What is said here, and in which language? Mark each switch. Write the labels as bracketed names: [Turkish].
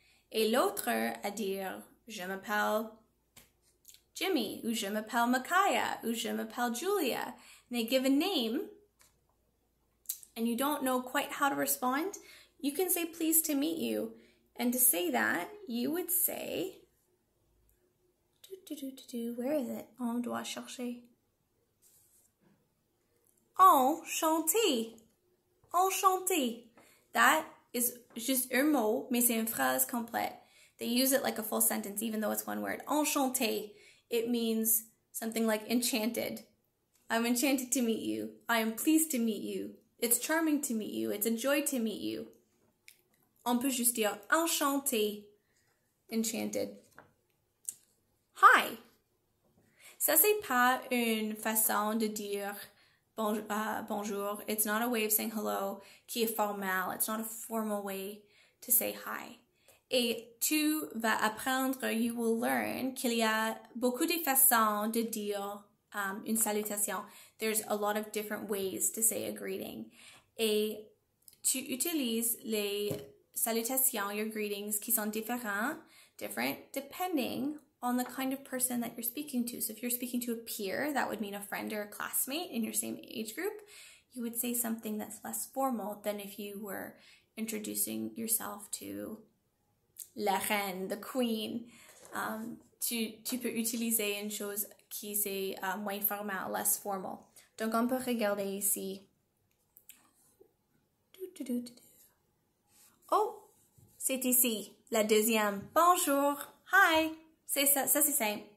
[French] Et l'autre à dire, je m'appelle Jimmy, ou je m'appelle Micaiah, ou je m'appelle Julia. [English] And they give a name, and you don't know quite how to respond, you can say, pleased to meet you. And to say that, you would say, where is it? [French] On doit chercher. Enchanté. Enchanté. [English] That is just [French] un mot, mais c'est une phrase complète. [English] They use it like a full sentence, even though it's one word. Enchanté. It means something like enchanted. I'm enchanted to meet you. I am pleased to meet you. It's charming to meet you. It's a joy to meet you. [French] On peut juste dire enchanté. [English] Enchanted. Hi. [French] Ça, c'est pas une façon de dire bonjour. [English] It's not a way of saying hello [French] qui est formal. [English] It's not a formal way to say hi. [French] Et tu vas apprendre, [English] you will learn, [French] qu'il y a beaucoup de façons de dire une salutation. [English] There's a lot of different ways to say a greeting. [French] Et tu utilises les salutations, [English] your greetings, [French] qui sont different, [English] depending on the kind of person that you're speaking to. So if you're speaking to a peer, that would mean a friend or a classmate in your same age group, you would say something that's less formal than if you were introducing yourself to [French] la reine, [English] the queen. [French] Tu peux utiliser une chose qui c'est moins formal, [English] less formal. [French] Donc on peut regarder ici. Oh, c'est ici, la deuxième. Bonjour, hi. Ça c'est simple.